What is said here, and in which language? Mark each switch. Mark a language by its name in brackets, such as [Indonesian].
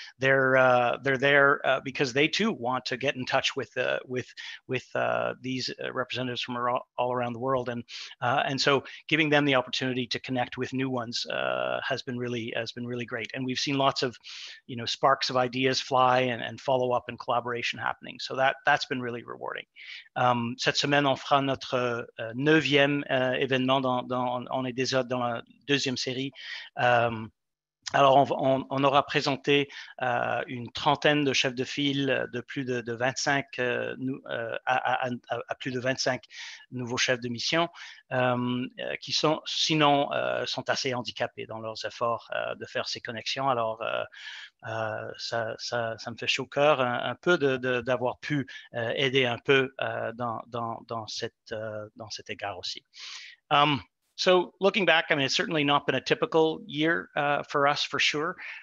[English] They're there because they too want to get in touch with these representatives from all around the world, and so giving them the opportunity to connect with new ones has been really great. And we've seen lots of, you know, sparks of ideas fly and follow up and collaboration happening. So that's been really rewarding. [French] Cette semaine, on fera notre neuvième événement on est déjà dans la deuxième série. Alors, on aura présenté une trentaine de chefs de file de plus de 25 nouveaux chefs de mission qui sont assez handicapés dans leurs efforts de faire ces connexions. Alors, ça me fait chaud au cœur un peu d'avoir pu aider un peu dans cet égard aussi. [English] So looking back, I mean, it's certainly not been a typical year for us, for sure.